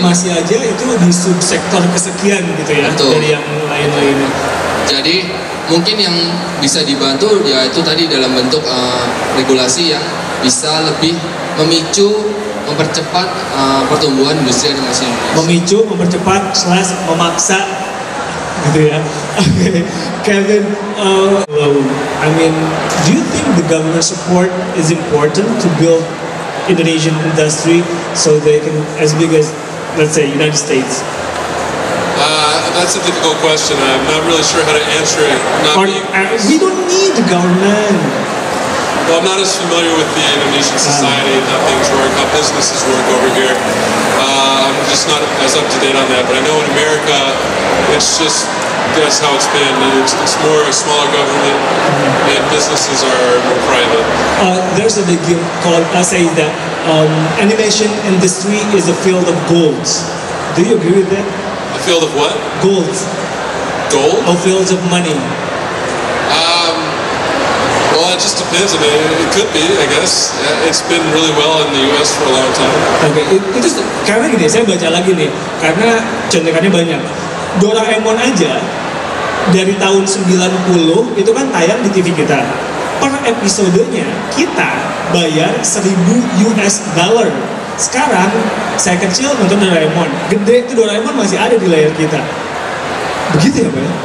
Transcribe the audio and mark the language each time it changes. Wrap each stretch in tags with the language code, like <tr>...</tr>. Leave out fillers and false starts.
<id>Animasi aja itu di subsektor kesekian gitu ya. Betul. Dari yang lain-lain. Jadi mungkin yang bisa dibantu ya itu tadi dalam bentuk regulasi yang bisa lebih memicu, mempercepat pertumbuhan industri animasi. Memicu, mempercepat, slash memaksa, gitu ya.</id> <en>Kevin, I mean, do you think the government support is important to build Indonesian industry so they can, as big as, let's say, United States? That's a difficult question. I'm not really sure how to answer it. We don't need the government. Well, I'm not as familiar with the Indonesian society and how things work, how businesses work over here. I'm just not as up to date on that, but I know in America, it's just, that's how it's been. It's more a smaller government, and businesses are more private. There's a big deal called Asahi that animation industry is a field of gold. Do you agree with that? A field of what? Gold. Gold? A field of money. It just depends. I mean, it could be, I guess. It's been really well in the US for a long time.</en> <id>Okay, itu karena gini, saya baca lagi nih, karena contekannya banyak. Doraemon aja, dari tahun 90, itu kan tayang di TV kita. Per episodenya, kita bayar 1000 US dollar. Sekarang, saya kecil nonton Doraemon. Gede itu Doraemon masih ada di layar kita. Begitu ya, Pak?</id>